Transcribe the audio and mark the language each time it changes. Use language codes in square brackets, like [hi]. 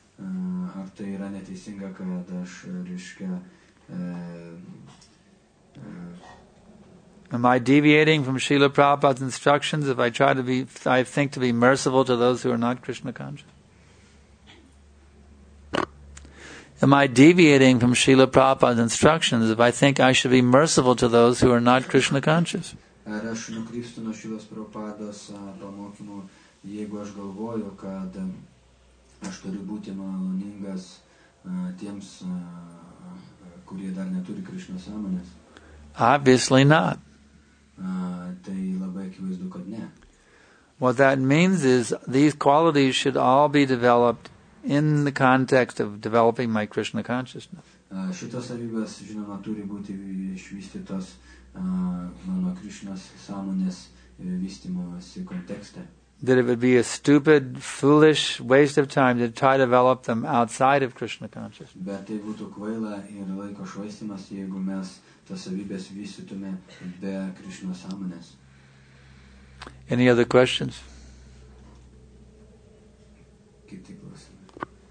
[en] Am I deviating from Srila Prabhupada's instructions if I try to be, I think to be merciful to those who are not Krishna conscious? Am I deviating from Srila Prabhupada's instructions if I think I should be merciful to those who are not Krishna conscious? [lt] Ar aš nukrypstu nuo Srila Prabhupada's pamokymų, jeigu aš galvoju, kad aš turiu būti maloningas tiems, kurie dar neturi Krishna sąmonės? [en] Obviously not. [lt] Tai labai akivaizdu, kad ne. [en] What that means is these qualities should all be developed in the context of developing my Krishna consciousness. [lt] Šitos savybės, žinoma, turi būti išvystytos mano Krishnas sąmonės vystymosi kontekste. [en] That it would be a stupid, foolish waste of time to try to develop them outside of Krishna consciousness. [lt] Bet tai būtų kvaila ir laiko švaistymas, jeigu mes tas savybės vystytume be Krishna sąmonės. [en] Any other questions? [lt] Kiti klausimai.